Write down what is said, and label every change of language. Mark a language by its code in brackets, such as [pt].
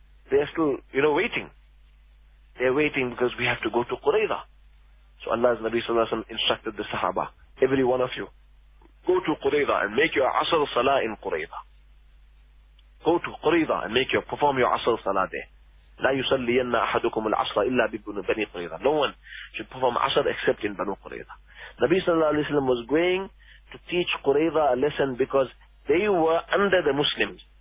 [en] They are still, you know, waiting. They are waiting because we have to go to Qurayza. So Allah's Nabi sallallahu alaihi wasallam instructed the Sahaba, every one of you, go to Qurayza and make your Asr Salah in Qurayza. Go to Qurayza and make your, perform your Asr Salah there. [ar] لا يصلينا أحدكم العصر إلا ببني قريظة. [en] No one should perform Asr except in Banu Qurayza. Nabi sallallahu alayhi wa sallam was going to teach Qurayza a lesson because they were under the Muslims.